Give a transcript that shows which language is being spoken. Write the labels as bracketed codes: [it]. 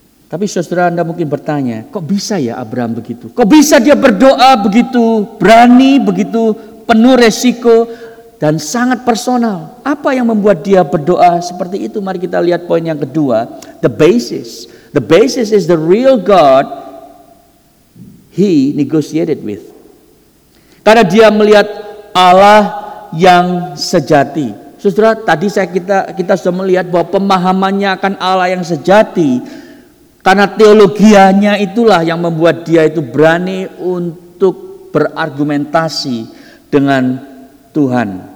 [id] Tapi saudara, Anda mungkin bertanya, kok bisa ya Abraham begitu? Kok bisa dia berdoa begitu berani, begitu penuh resiko dan sangat personal? Apa yang membuat dia berdoa seperti itu? Mari kita lihat poin yang kedua, [en] the basis. The basis is the real God he negotiated with. [id] Karena dia melihat Allah yang sejati. Saudara, tadi kita sudah melihat bahwa pemahamannya akan Allah yang sejati, karena teologianya itulah yang membuat dia itu berani untuk berargumentasi dengan Tuhan.